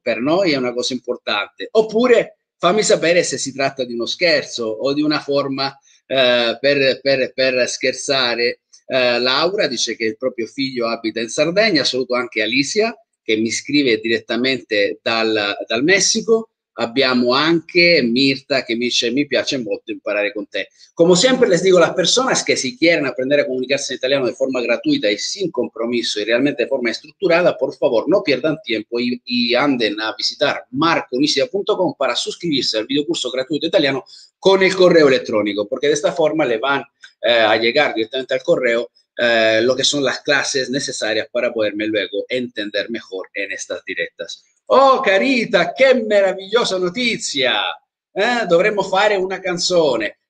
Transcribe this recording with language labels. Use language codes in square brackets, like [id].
[it] Per noi è una cosa importante. Oppure fammi sapere se si tratta di uno scherzo o di una forma, per scherzare. Laura dice che il proprio figlio abita in Sardegna. Saluto anche Alicia, che mi scrive direttamente dal Messico. Abbiamo anche Mirta che mi dice: mi piace molto imparare con te. Come sempre, [es] les digo, las personas que si quieren aprender a comunicarse en italiano de forma gratuita y sin compromiso y realmente de forma estructurada, por favor, no pierdan tiempo y anden a visitar marconicia.com para suscribirse al videocurso gratuito italiano con el correo electrónico, porque de esta forma le van a llegar directamente al correo lo que son las clases necesarias para poderme luego entender mejor en estas directas. [it] Oh, carita, che meravigliosa notizia! Dovremmo fare una canzone.